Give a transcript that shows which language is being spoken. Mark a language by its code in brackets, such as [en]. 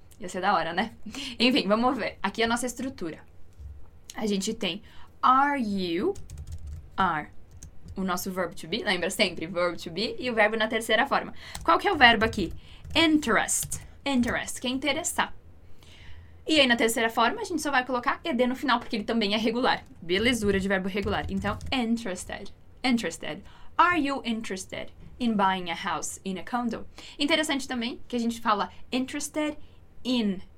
[pt] Ia ser da hora, né? Enfim, vamos ver. Aqui é a nossa estrutura. A gente tem are you, are, o nosso verbo to be, lembra sempre? Verbo to be e o verbo na terceira forma. Qual que é o verbo aqui? Interest. Interest, que é interessar. E aí, na terceira forma, a gente só vai colocar ed no final, porque ele também é regular. Belezura de verbo regular. Então, interested. Interested. [en] Are you interested in buying a house in a condo? [pt] Interessante também que a gente fala interested in.